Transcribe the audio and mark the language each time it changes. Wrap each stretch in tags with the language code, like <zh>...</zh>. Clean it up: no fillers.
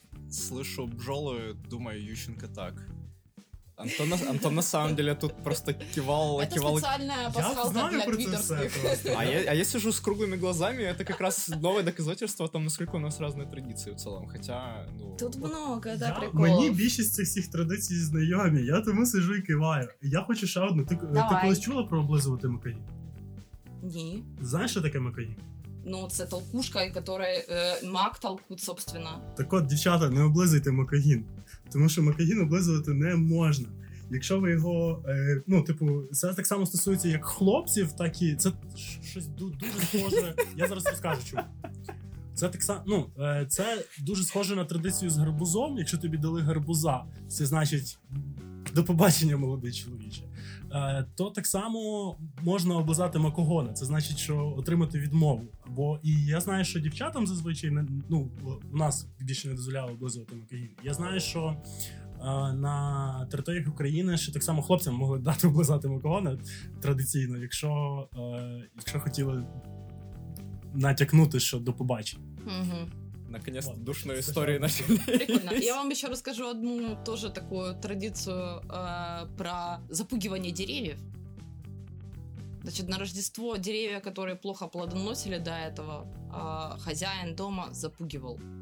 <ru>Слышу бжолы, думаю, Ющенко так. Антон на самом деле тут просто кивал. Это специальная пасхалка для твиттерских. А я сижу с круглыми глазами, это как раз новое доказательство о том, насколько у нас разные традиции в целом. Хотя, ну... Тут вот... много, да, приколов.</ru> <uk>Мені більшість цих традицій знайомі. Я тому сижу і киваю. Я хочу ще одну. Ти колись чула про облизувати макаї? Ні. Знаєш, що таке макаї? Ну, це толкушка, яка мак толкуть,</uk> <ru>собственно.</ru> <uk>Так от, дівчата, не облизуйте макагін. Тому що макагін облизувати не можна. Якщо ви його, ну, типу, це так само стосується як хлопців, так і... Це щось дуже схоже... Я зараз розкажу, чому. Це так само, ну, це дуже схоже на традицію з гарбузом. Якщо тобі дали гарбуза, це значить... До побачення, молодий чоловіче. То так само можна облизати макогона. Це значить, що отримати відмову. Бо і я знаю, що дівчатам зазвичай не, ну, у нас більше не дозволяли облизувати макогін. Я знаю, що на територіях України ще так само хлопцям могли дати облизати макогона традиційно, якщо хотіли натякнути, що до побачення.</uk> <ru>Наконец-то вот, душную историю начали. Прикольно. Я вам еще расскажу одну тоже такую традицию про запугивание деревьев. Значит, на Рождество деревья, которые плохо плодоносили до этого, хозяин дома запугивал.</ru>